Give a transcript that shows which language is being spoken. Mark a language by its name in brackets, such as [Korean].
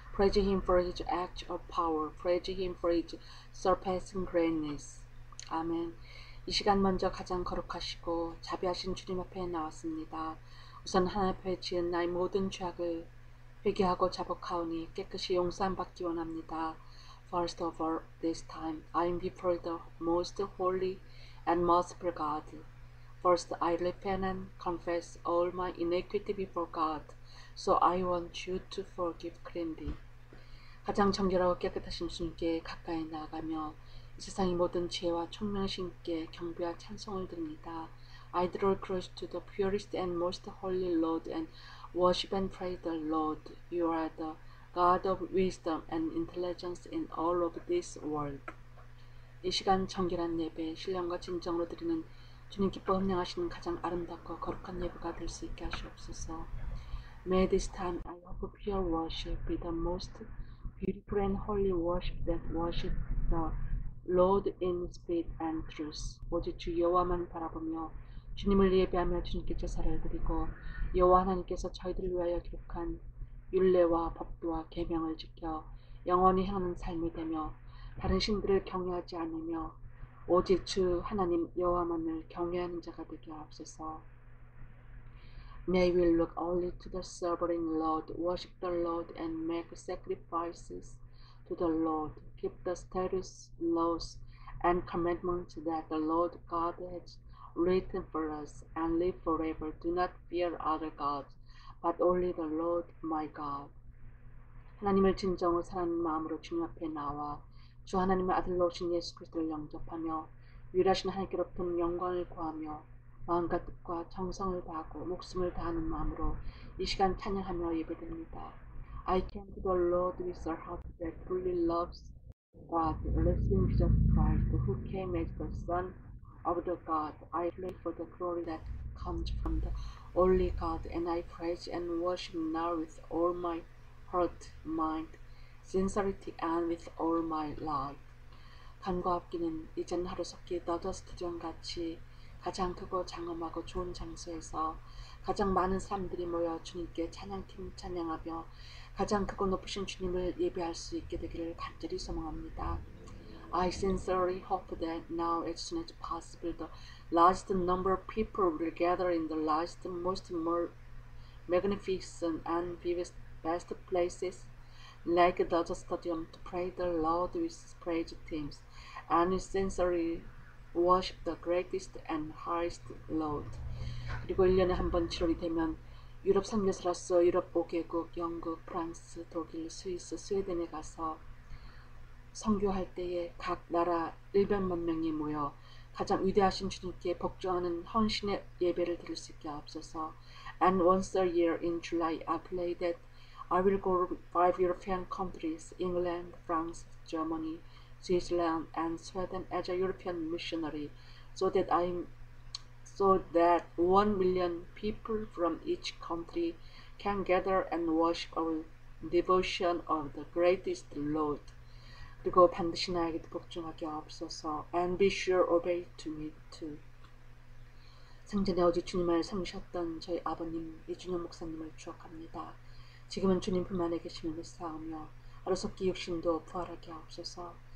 [English] Praise Him for His act of power. Praise Him for His surpassing greatness. [Korean] 아멘. 이 시간 먼저 가장 거룩하시고 자비하신 주님 앞에 나왔습니다. 우선 하나님 앞에 지은 나의 모든 죄악을 회개하고 자복하오니 깨끗이 용서함 받기 원합니다. [English] First of all, this time, I'm before the most holy and merciful God. First, I repent and confess all my iniquity before God, so I want you to forgive clearly. [Korean] 가장 정결하고 깨끗하신 주님께 가까이 나아가며 이 세상의 모든 지혜와 총명하신께 경배와 찬송을 드립니다. [English] I draw close to the purest and most holy Lord and worship and praise the Lord. You are the God of wisdom and intelligence in all of this world. [Korean] 이 시간 정결한 예배, 신령과 진정으로 드리는 주님 기뻐 흠양하시는 가장 아름답고 거룩한 예배가 될수 있게 하시옵소서. [English] May this time I offer pure worship be the most beautiful and holy worship that worship the Lord in spirit and truth. [Korean] 오직 주 여호와만 바라보며 주님을 예배하며 주님께 제사를 드리고 여호와 하나님께서 저희들을 위하여 기록한 율례와 법도와 계명을 지켜 영원히 행하는 삶이 되며 다른 신들을 경외하지 않으며 오직 주 하나님 여호와만을 경외하는 자가 되게 하옵소서. [English] May we look only to the sovereign Lord, worship the Lord, and make sacrifices to the Lord. Keep the statutes, laws, and commandments that the Lord God has written for us and live forever. Do not fear other gods, but only the Lord my God. [Korean] 하나님을 진정으로 사랑하는 마음으로 주님 앞에 나와 주 하나님의 아들로 오신 예수 그리스도를 영접하며 위대하신 하나님께로부터 영광을 구하며 마음과 뜻과 정성을 다하고 목숨을 다하는 마음으로 이 시간 찬양하며 예배드립니다. [English] I came to the Lord with a heart that truly loves God, receiving Jesus Christ, who came as the Son of the God. I pray for the glory that comes from the only God, and I praise and worship now with all my heart, mind, sincerity, and with all my life. [Korean] 간과 합기는 이젠 하루속히 너더스 두전같이 가장 크고 장엄하고 좋은 장소에서 가장 많은 사람들이 모여 주님께 찬양팀 찬양하며 가장 크고 높으신 주님을 예배할 수 있게 되기를 간절히 소망합니다. [English] I sincerely hope that now, as soon as possible, the largest number of people will gather in the largest, most magnificent, and vivid, best places, like the stadium, to pray the Lord with praise teams, and sincerely worship the greatest and highest Lord. [Korean] 그리고 1년에 한번 7월이 되면 유럽 선교사로서 유럽 5개국, 영국, 프랑스, 독일, 스위스, 스웨덴에 가서 선교할 때에 각 나라 일백만 명이 모여 가장 위대하신 주님께 복종하는 헌신의 예배를 드릴 수 있게 하옵소서. [English] And once a year in July, I pray that I will go to five European countries, England, France, Germany, Switzerland and Sweden as a European missionary, so that 1 million people from each country can gather and worship our devotion of the greatest Lord. [Korean] 그리고 반드시 나에게도 복종하게 하옵소서. [English] And be sure obey to me too. [Korean] 생전에 어제 주님을 섬기셨던 저희 아버님 이준영 목사님을 추억합니다. 지금은 주님 품 안에 계시는 것을 사오며 하루속히 육신도 부활하게 하옵소서.